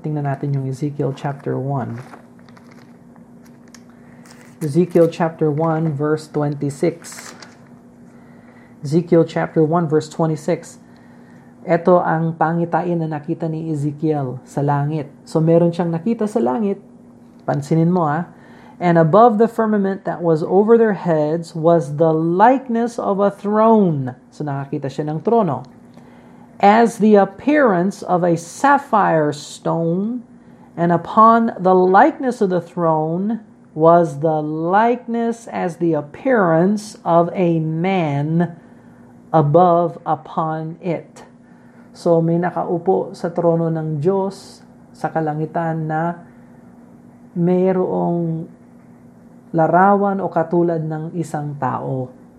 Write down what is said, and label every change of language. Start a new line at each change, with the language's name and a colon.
Filipino: Tingnan natin yung Ezekiel chapter 1. Ezekiel chapter 1 verse 26.
English: Ezekiel chapter 1 verse 26.
Filipino: Ito ang pangitain na nakita ni Ezekiel sa langit. So meron siyang nakita sa langit. Pansinin mo ha.
English: And above the firmament that was over their heads was the likeness of a throne.
Filipino: So nakakita siya ng trono.
English: As the appearance of a sapphire stone, and upon the likeness of the throne was the likeness as the appearance of a man above upon it.
Filipino: So may nakaupo sa trono ng Diyos sa kalangitan na mayroong larawan o katulad ng isang tao.